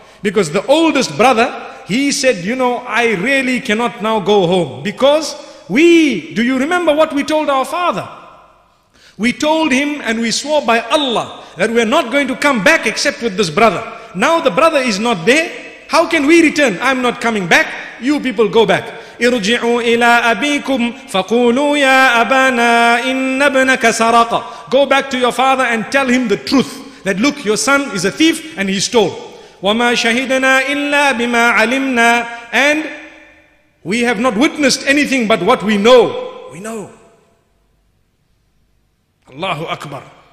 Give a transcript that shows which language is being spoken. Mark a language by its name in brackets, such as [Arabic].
[English] Because the oldest brother, he said, you know, I really cannot now go home. Because do you remember what we told our father? We told him and we swore by Allah that we're not going to come back except with this brother. Now the brother is not there. How can we return? I'm not coming back. You people go back. [Arabic] ارجعوا إلى أبيكم فقولوا يا أبانا إن ابنك سرق. [English] Go back to your father and tell him the truth. That look, your son is a thief and he stole. [Arabic] وما شهدنا إلا بما علمنا. [English] And we have not witnessed anything but what we know. We know. [Arabic] الله أكبر.